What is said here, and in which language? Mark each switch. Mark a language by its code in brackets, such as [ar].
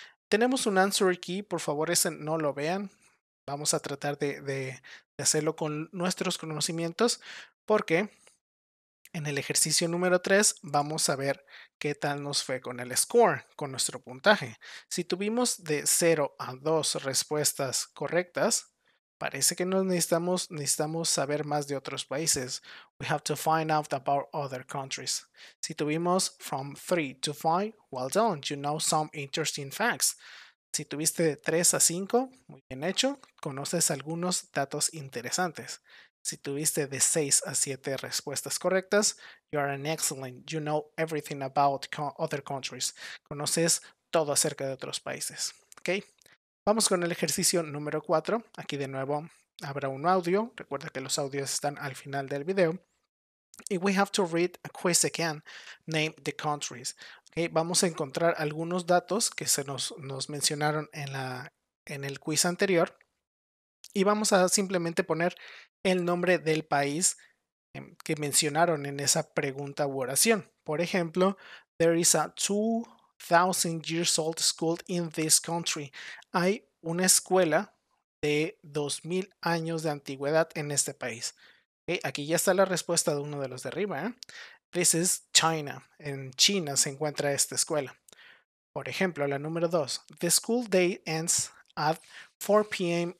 [es] Tenemos un answer key, por favor, ese no lo vean. Vamos a tratar de hacerlo con nuestros conocimientos porque en el ejercicio número 3 vamos a ver qué tal nos fue con el score, con nuestro puntaje. Si tuvimos de 0 a 2 respuestas correctas, parece que no necesitamos saber más de otros países. [en] We have to find out about other countries. [es] Si tuvimos [en] from 3 to 5, well done. You know some interesting facts. [es] Si tuviste de 3 a 5, muy bien hecho. Conoces algunos datos interesantes. Si tuviste de 6 a 7 respuestas correctas, [en] you are an excellent. You know everything about other countries. [es] Conoces todo acerca de otros países. [en] ¿Okay? [es] Vamos con el ejercicio número 4. Aquí de nuevo habrá un audio. Recuerda que los audios están al final del video. Y [en] we have to read a quiz again. Name the countries. [es] ¿Okay? Vamos a encontrar algunos datos que se nos mencionaron en el quiz anterior. Y vamos a simplemente poner el nombre del país que mencionaron en esa pregunta u oración. Por ejemplo, [en] there is a 2000 years old school in this country. [es] Hay una escuela de 2000 años de antigüedad en este país. Okay, aquí ya está la respuesta de uno de los de arriba. [en] This is China. [es] En China se encuentra esta escuela. Por ejemplo, la número 2. [en] The school day ends at 4 p.m.